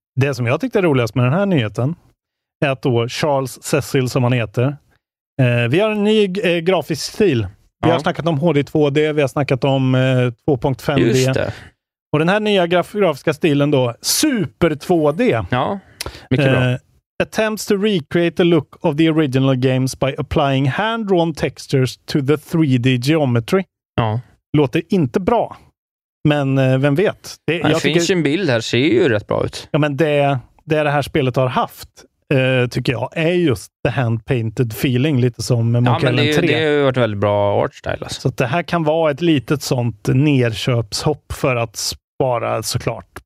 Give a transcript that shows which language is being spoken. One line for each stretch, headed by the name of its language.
Swedish: Det som jag tyckte är roligast med den här nyheten är att då Charles Cecil som han heter. Vi har en ny grafisk stil. Vi har snackat om HD2D, vi har snackat om 2.5D. Just det. Och den här nya grafiska stilen då, Super 2D. Ja, mycket bra.
English: Attempts to recreate the look of the original games by applying hand-drawn textures to the 3D geometry.
Swedish: Ja. Låter inte bra. Men vem vet. Det finns ju en bild här, ser ju rätt bra ut. Ja, men det här spelet har haft tycker jag är
English: just the hand-painted feeling.
Swedish: Lite som Monkey Island 3. Det har ju varit väldigt bra art style. Alltså. Så att det här kan vara ett litet sånt nerköpshopp för att spara såklart.